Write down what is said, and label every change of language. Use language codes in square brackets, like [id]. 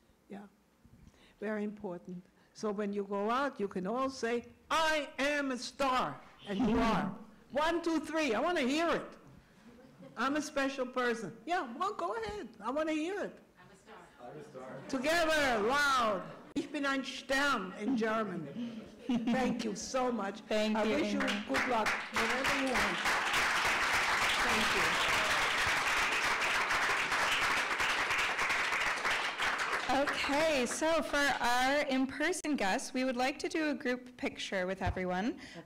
[en] Yeah, very important. So when you go out, you can all say, I am a star, and you are. 1, 2, 3, I want to hear it. I'm a special person. Yeah, well, go ahead, I want to hear it. I'm a star. Together, loud. [de] Ich bin ein Stern [en] in German. Thank you so much. Thank you. I wish you good luck, whatever you want. Thank you. Okay, so for our in-person guests, we would like to do a group picture with everyone.